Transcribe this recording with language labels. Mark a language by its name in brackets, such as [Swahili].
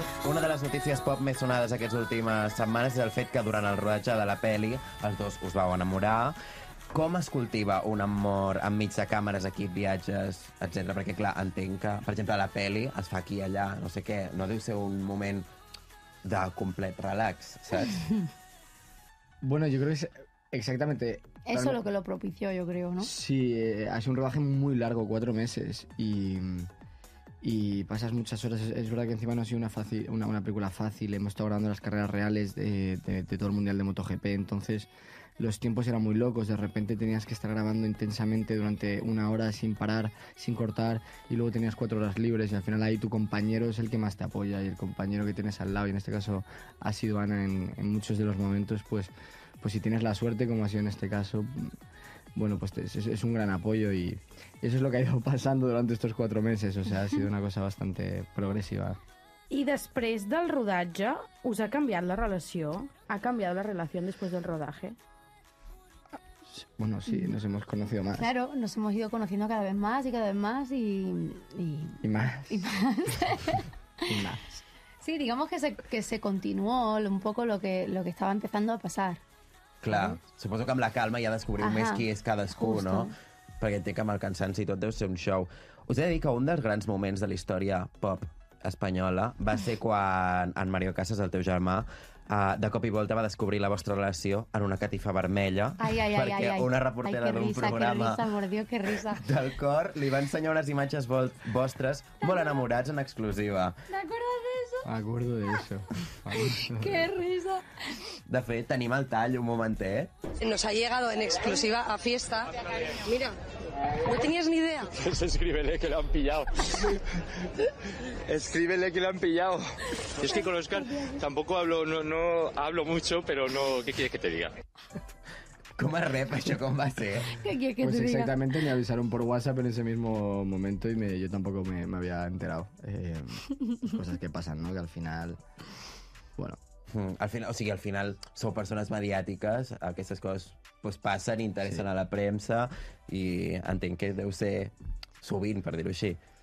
[Catalan] Una de les notícies pop més sonades aquestes últimes setmanes és el fet que durant el rodatge de la peli els dos us vau enamorar. Com es cultiva un amor enmig de càmeres, equip, viatges, etc? Perquè, clar, entenc que, per exemple, la peli es fa aquí i allà, no sé què. No deu ser un moment de complet relax, saps? [Spanish] Bueno, yo creo que es exactamente... Eso lo que lo propició, yo creo, ¿no? Sí, ha sido un rodaje muy largo, 4 meses, y pasas muchas horas. Es verdad que encima no ha sido una película fácil. Hemos estado grabando las carreras reales de todo el Mundial de MotoGP, entonces... Los tiempos eran muy locos, de repente tenías que estar grabando intensamente durante una hora sin parar, sin cortar, y luego tenías 4 horas libres, y al final ahí tu compañero es el que más te apoya, y el compañero que tienes al lado, y en este caso ha sido Ana en muchos de los momentos, pues si tienes la suerte, como ha sido en este caso, bueno, pues es un gran apoyo, y eso es lo que ha ido pasando durante estos 4 meses, o sea, ha sido una cosa bastante progresiva. [Catalan] I després del rodatge, ¿us ha canviat la relació? ¿Ha canviat la relació després del rodatge? [Spanish] Bueno, sí, nos hemos conocido más. Claro, nos hemos ido conociendo cada vez más y cada vez más y... Y más. Y más. Y más. Sí, digamos que se continuó un poco lo que estaba empezando a pasar. [Catalan] Clar, suposo que amb la calma ja descobriu més qui és cadascú, justo, no? Perquè entenc que amb el cansanci tot deu ser un show. Us he de dir que un dels grans moments de la història pop espanyola va ser quan en Mario Casas, el teu germà, de cop i volta va descobrir la vostra relació en una catifa vermella. Ai, una reportera d'un programa... [Spanish] Ai, que risa, mordió, que risa. [Catalan] Del cor li va ensenyar unes imatges vostres molt enamorats en exclusiva. Acordo d'això. [Spanish] Que risa. [Catalan] De fet, tenim el tall un momentet. [Spanish] Nos ha llegado en exclusiva a fiesta. [Catalan] Mira, no tenies ni idea. [Spanish] Escríbele que lo han pillado. Escríbele que lo han pillado. Es que con Oscar tampoco hablo, no, no hablo mucho, pero no... ¿Qué quieres que te diga? ¿Cómo [Catalan] es rep això? [Spanish] ¿Cómo va a ser? ¿Qué quieres que pues te diga? Pues exactamente me avisaron por WhatsApp en ese mismo momento y yo tampoco me había enterado. Cosas que pasan, ¿no? Que al final... Bueno. [Catalan] Al final sou persones mediàtiques, aquestes coses pues, passen, interessen sí. a la premsa i entenc que deu ser sovint, per dir-ho així.